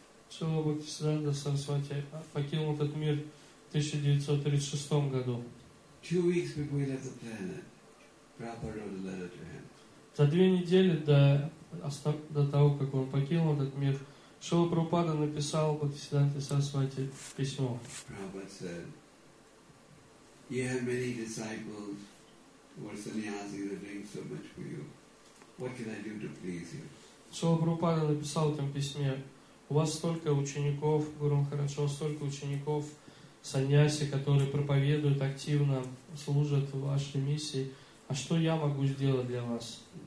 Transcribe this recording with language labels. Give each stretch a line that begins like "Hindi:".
Russian: Шрила Бхактисиддханта Сарасвати покинул этот мир в 1936 году.
English: Two weeks before he left the planet, Prabhupada wrote a letter to him.
Russian: За две недели до того, как он покинул этот мир, Шрила Прабхупада написал Бхактисиддханте Сарасвати письмо.
English: Prabhupada said, you have many disciples who are sannyasis that drink so much for you. What can I do to please you?
Russian: Шрила Прабхупада написал в этом письме, у вас столько учеников, Гуру Махараджа, столько учеников, саньяси, которые проповедуют активно, служат в вашей миссии. А что я могу сделать для вас?